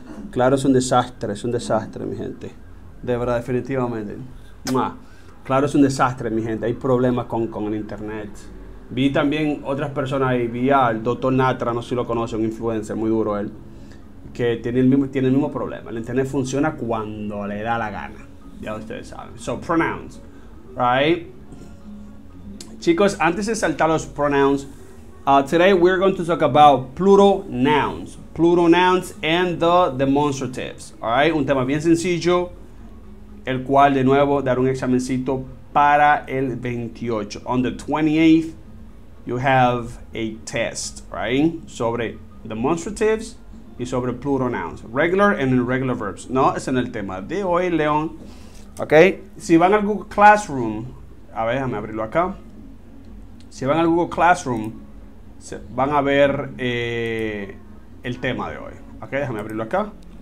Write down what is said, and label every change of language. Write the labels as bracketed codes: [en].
[es] Claro, es un desastre, mi gente. De verdad, definitivamente. Claro, es un desastre, mi gente. Hay problemas con el internet. Vi también otras personas y vi al doctor Natra, no sé si lo conoce, un influencer muy duro él, que tiene el mismo problema. El internet funciona cuando le da la gana. Ya ustedes saben. [en] So, pronouns. Right? [es] Chicos, antes de saltar los [en] pronouns, today we're going to talk about plural nouns and the demonstratives. [es] Alright, un tema bien sencillo, el cual de nuevo dar un examencito para el 28. [en] On the 28th, you have a test, right? [es] Sobre demonstratives y sobre plural nouns. [en] Regular and irregular verbs. [es] No, es en el tema de hoy, León. Ok, si van al Google Classroom, a ver, déjame abrirlo acá. Si van al Google Classroom, van a ver el tema de hoy. Ok, déjame abrirlo acá.